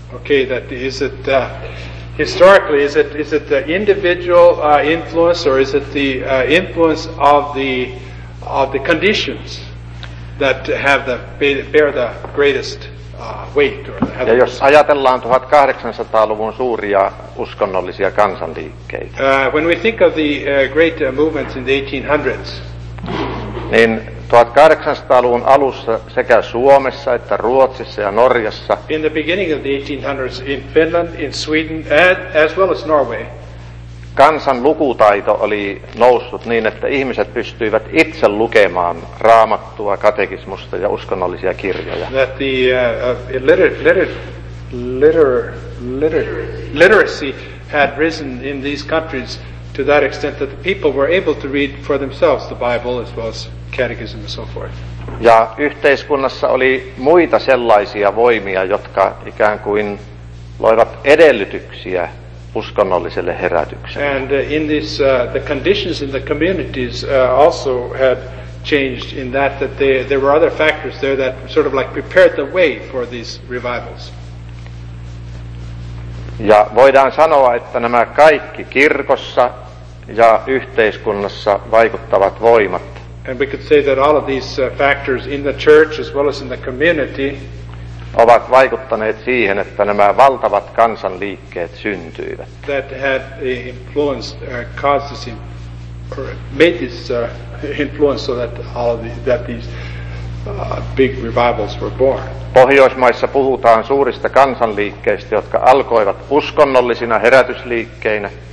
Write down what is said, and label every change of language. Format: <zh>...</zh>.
<en>Okay, that is it historically, is it the individual influence or is it the influence of the conditions that have bear the greatest weight or have.</en> <fi>Ja jos ajatellaan 1800-luvun suuria uskonnollisia kansanliikkeitä.</fi> <en>When we think of the great movements in the 1800s.</en> <fi>Niin 1800-luvun alussa sekä Suomessa että Ruotsissa ja Norjassa.</fi> <en>In the beginning of the 1800s in Finland, in Sweden and as well as Norway.</en> <fi>Kansan lukutaito oli noussut niin, että ihmiset pystyivät itse lukemaan Raamattua, katekismusta ja uskonnollisia kirjoja.</fi> <en>That the literacy had risen in these countries to that extent that the people were able to read for themselves the Bible as well as catechism and so forth.</en> <fi>Ja yhteiskunnassa oli muita sellaisia voimia, jotka ikään kuin loivat edellytyksiä uskonnolliselle herätykselle.</fi> <en>And in this the conditions in the communities also had changed in that there were other factors there that sort of like prepared the way for these revivals.</en> <fi>Ja voidaan sanoa, että nämä kaikki kirkossa ja yhteiskunnassa vaikuttavat voimat.</fi> <en>And we could say that all of these factors in the church as well as in the community</en> <fi>ovat vaikuttaneet siihen, että nämä valtavat kansanliikkeet syntyivät.</fi> <en>That had influenced, caused this, or made this influence so that all of these, that these big revivals were born.</en> <fi>Pohjoismaissa puhutaan suurista kansanliikkeistä, jotka alkoivat uskonnollisina herätysliikkeinä.</fi>